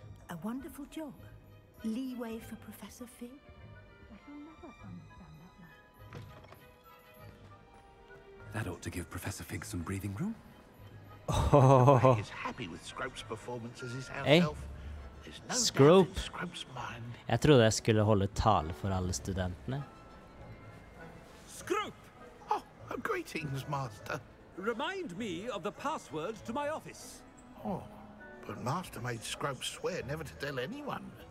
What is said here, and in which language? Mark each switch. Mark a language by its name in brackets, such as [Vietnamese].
[English] A wonderful job. Leeway for Professor Fig. That ought to give Professor Fig some breathing room. He's happy with Scrope's performance as his house elf. There's no Scrope. Doubt in Scrope's mind. [Swedish] Jag trodde jag skulle hålla tal för alla studenterna. [English] Scrope! Oh, greetings, Master. Remind me of the password to my office. Oh, but Master made Scrope swear never to tell anyone.